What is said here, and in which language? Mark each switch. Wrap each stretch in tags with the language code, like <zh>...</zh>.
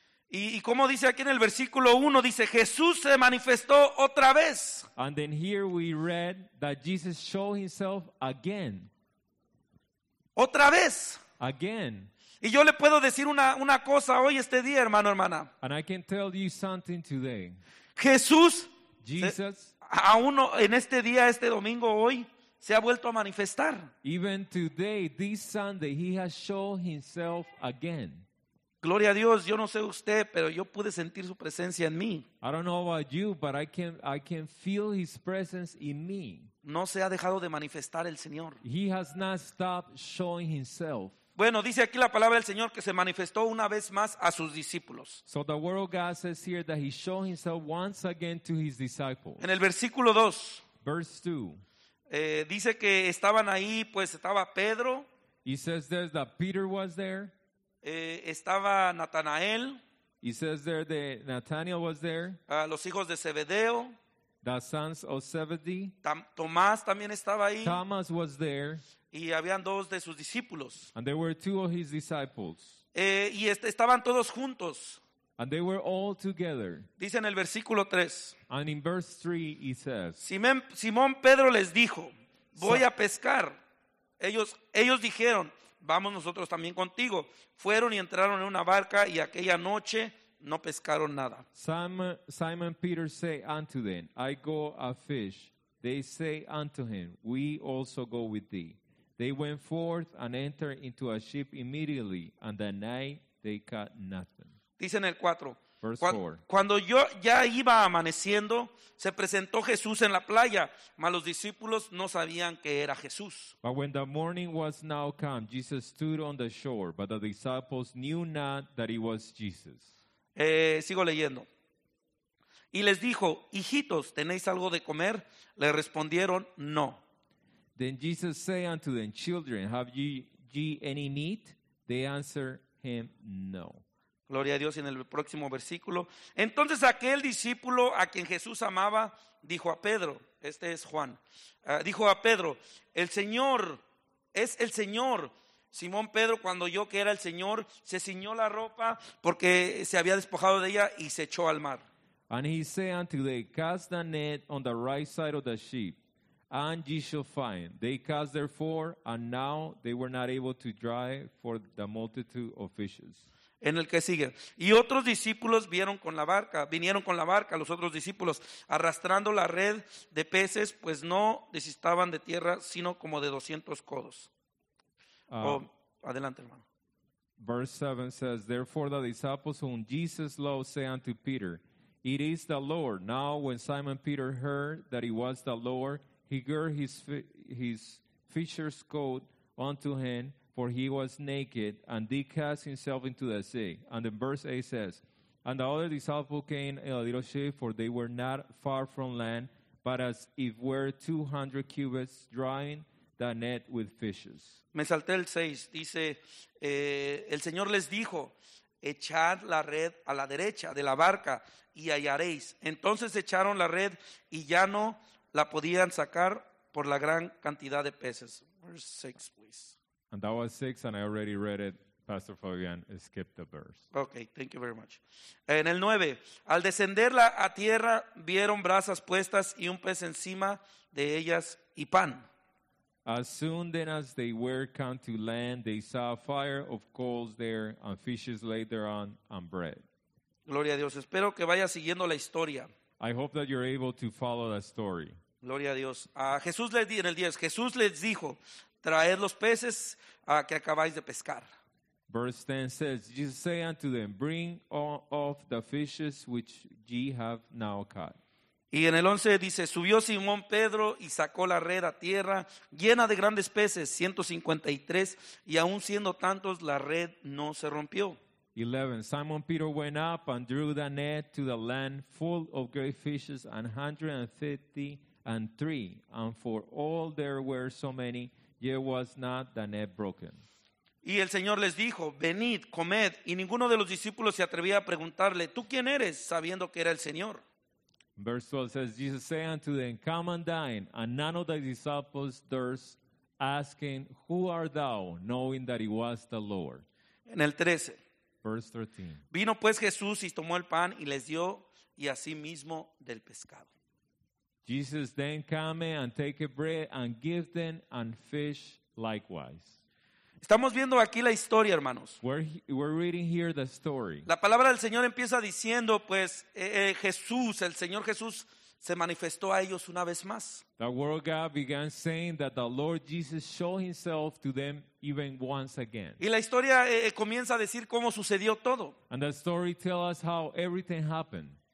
<es>Y como dice aquí en el versículo 1, dice Jesús se manifestó otra vez.</es> <en>And then here we read that Jesus showed himself again.</en> <es>Otra vez.</es> <en>Again.</en> <es>Y yo le puedo decir una cosa hoy este día, hermano, hermana.</es> <en>And I can tell you something today.</en> <es>Jesús,</es> <en>Jesus,</en> <es>aún en este día, este domingo, hoy, se ha vuelto a manifestar.</es> <en>Even today, this Sunday, he has shown himself again.</en> <es>Gloria a Dios, yo no sé usted, pero yo pude sentir su presencia en mí.</es> <en>I don't know about you, but I can feel his presence in me.</en> <es>No se ha dejado de manifestar el Señor.</es> <en>He has not stopped showing himself.</en> <es>Bueno, dice aquí la palabra del Señor que se manifestó una vez más a sus discípulos.</es> <en>So the word of God says here that he showed himself once again to his disciples.</en> <es>En el versículo 2.</es> <en>Verse 2.</en> <es>Dice que estaban ahí, pues estaba Pedro.</es> <en>He says there that Peter was there.</en> <es>Estaba Natanael.</es> <en>He says there that Nathanael was there.</en> <es>Los hijos de Zebedeo.</es> <en>The sons of Zebedee.</en> <es>Tomás también estaba ahí.</es> <en>Thomas was there.</en> <es>Y habían dos de sus discípulos.</es> <en>And there were two of his disciples.</en> <es>Y estaban todos juntos.</es> <en>And they were all together.</en> <es>Dice en el versículo 3.</es> <en>And in verse 3 he says.</en> <es>Simón Pedro les dijo, voy a pescar. Ellos dijeron, vamos nosotros también contigo. Fueron y entraron en una barca y aquella noche no pescaron nada.</es> <en>Simon Peter say unto them, I go a fish. They say unto him, we also go with thee. They went forth and entered into a ship immediately, and the night they caught nothing.</en> <es>Dice en el 4.</es> <en>Verse 4.</en> <es>Cuando yo ya iba amaneciendo, se presentó Jesús en la playa, mas los discípulos no sabían que era Jesús.</es> <en>But when the morning was now come, Jesus stood on the shore, but the disciples knew not that it was Jesus.</en> <es>Sigo leyendo. Y les dijo, hijitos, ¿tenéis algo de comer? Le respondieron, no.</es> <en>Then Jesus said unto them, children, have ye any meat? They answered him, no.</en> <es>Gloria a Dios. Y en el próximo versículo. Entonces aquel discípulo a quien Jesús amaba, dijo a Pedro, este es Juan, dijo a Pedro, el Señor, es el Señor. Simón Pedro, cuando oyó que era el Señor, se ciñó la ropa porque se había despojado de ella y se echó al mar.</es> <en>And he said unto them, cast the net on the right side of the ship, and ye shall find. They cast therefore, and now they were not able to dry for the multitude of fishes.</en> <es>En el que sigue. Y otros discípulos vinieron con la barca, los otros discípulos, arrastrando la red de peces, pues no desistaban de tierra, sino como de 200 codos. Adelante, hermano.</es> <en>Verse 7 says, therefore the disciples whom Jesus loved say unto Peter, it is the Lord. Now when Simon Peter heard that it was the Lord, he girded his fisher's coat unto him, for he was naked, and did cast himself into the sea. And then verse 8 says, and the other disciples came in a little ship, for they were not far from land, but as it were 200 cubits, drawing the net with fishes.</en> <es>Me salté el 6. Dice, el Señor les dijo, echad la red a la derecha de la barca y hallaréis. Entonces echaron la red y ya no la podían sacar por la gran cantidad de peces.</es> <en>Verse 6, please. And that was 6, and I already read it. Pastor Fabian skipped the verse. Okay, thank you very much.</en> <es>En el 9, al descenderla a tierra, vieron brasas puestas y un pez encima de ellas y pan.</es> <en>As soon then as they were come to land, they saw a fire of coals there, and fishes laid thereon, and bread.</en> <es>Gloria a Dios. Espero que vaya siguiendo la historia.</es> <en>I hope that you're able to follow that story.</en> <es>Gloria a Dios. Jesús les di en el 10. Jesús les dijo, traed los peces que acabáis de pescar.</es> <en>Verse 10 says, Jesus said unto them, bring off the fishes which ye have now caught.</en> <es>Y en el 11 dice, subió Simón Pedro y sacó la red a tierra, llena de grandes peces, 153, y aun siendo tantos, la red no se rompió.</es> <en>11, Simon Peter went up and drew the net to the land full of great fishes, 153, and for all there were so many, yet was not the net broken.</en> <es>Y el Señor les dijo, venid, comed, y ninguno de los discípulos se atrevía a preguntarle, ¿tú quién eres?, sabiendo que era el Señor.</es> <en>Verse 12 says, Jesus said unto them, come and dine, and none of the disciples durst ask him, who art thou, knowing that he was the Lord.</en> <es>En el 13.</es> <en>Verse 13.</en> <es>Vino pues Jesús y tomó el pan y les dio, y así mismo del pescado.</es> <en>Jesus then came and take bread and give them and fish likewise.</en> <es>Estamos viendo aquí la historia, hermanos.</es> <en>We're reading here the story.</en> <es>La palabra del Señor empieza diciendo, pues, Jesús, el Señor Jesús, se manifestó a ellos una vez más.</es> <en>The word God began saying that the Lord Jesus showed himself to them even once again.</en> <es>Y la historia comienza a decir cómo sucedió todo.</es> <en>And the story tells us how everything happened.</en>